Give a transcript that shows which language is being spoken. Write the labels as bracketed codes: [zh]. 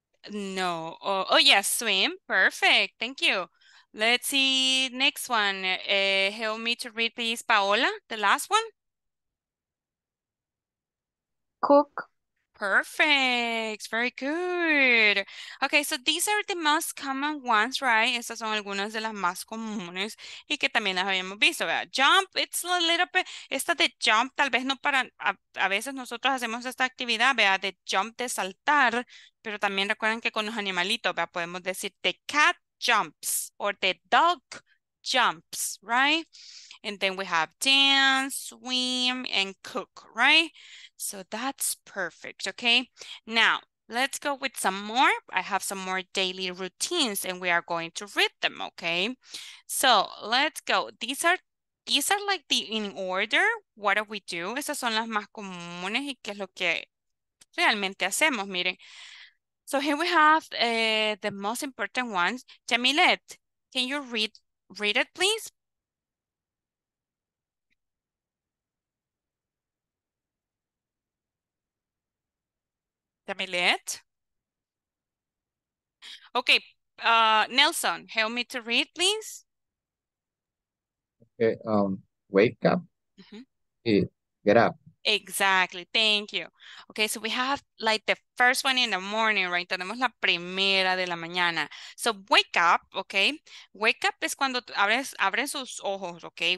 [en] No. Oh yes, yeah, swim. Perfect, thank you. Let's see, next one. Help me to read, please, Paola, the last one. Cook. Perfect, very good. Okay, so these are the most common ones, right? [es] Estas son algunas de las más comunes y que también las habíamos visto, ¿verdad? Jump, [en] it's a little bit, [es] esta de jump, tal vez no para, a veces nosotros hacemos esta actividad, ¿verdad? De jump, de saltar, pero también recuerden que con los animalitos, ¿verdad? Podemos decir [en] the cat jumps or the dog jumps, right? And then we have dance, swim, and cook, right? So that's perfect, okay? Now, let's go with some more. I have some more daily routines and we are going to read them, okay? So let's go. These are like the in order. What do we do? [es] Esas son las más comunes y qué es lo que realmente hacemos, miren. [en] So here we have the most important ones. Jamilet, can you read it, please? Jamilet. Okay, Nelson, help me to read, please. Okay, wake up. Mm-hmm. Get up. Exactly, thank you. Okay, so we have like the first one in the morning, right? [es] Tenemos la primera de la mañana. [en] So wake up, okay? [es] Wake up es cuando abres sus ojos, okay?